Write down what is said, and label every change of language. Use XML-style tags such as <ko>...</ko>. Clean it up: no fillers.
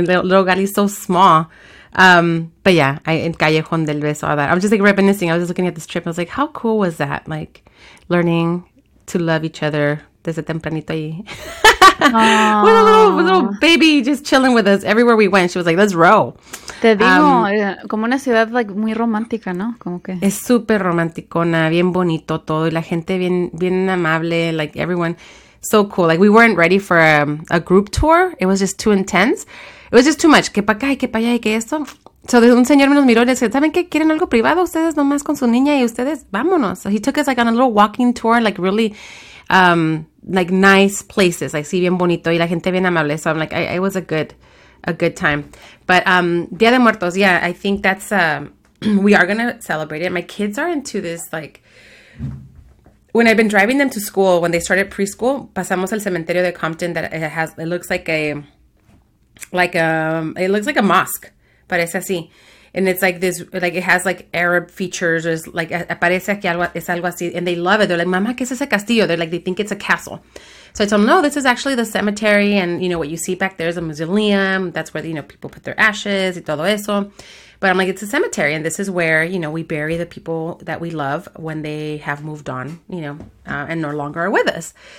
<en>Little Gali is so small. But yeah, in Callejón del Beso, all that. I was just like reminiscing. I was just looking at this trip. I was like, how cool was that? Like learning to love each other.</en> <es>Desde tempranito ahí.</es> <en>With a little baby just chilling with us everywhere we went. She was like, let's row.</en> <es>Te digo, como una ciudad like muy romántica, ¿no? Como que. Es súper romanticona, bien bonito todo. Y la gente bien, bien amable,</es> <en>like everyone. So cool. Like we weren't ready for a group tour. It was just too intense. It was just too much.</en> <es>Que pa' acá y que pa' allá y que esto. So un señor nos miró y le dice, ¿saben qué? ¿Quieren algo privado? Ustedes nomás con su niña y ustedes, vámonos.</es> <en>So he took us like on a little walking tour, like really... like nice places. I see</en> <es>bien bonito y la gente bien amable.</es> <en>So I'm like, it was a good time. But Dia de Muertos, yeah, I think that's we are gonna celebrate it. My kids are into this, like when I've been driving them to school, when they started preschool,</en> <es>pasamos el cementerio de Compton</es> <en>it looks like a mosque.</en> <es>Parece así.</es> <en>And it's like this, like it has like Arab features. There's like,</en> <es>aparece aquí algo, es algo así.</es> <en>And they love it. They're like,</en> <es>mama, ¿qué es ese castillo?</es> <en>They're like, they think it's a castle. So I told them, no, this is actually the cemetery. And you know, what you see back there is a mausoleum. That's where, you know, people put their ashes</en> <es>y todo eso.</es> <en>But I'm like, it's a cemetery. And this is where, you know, we bury the people that we love when they have moved on, you know, and no longer are with us.</en>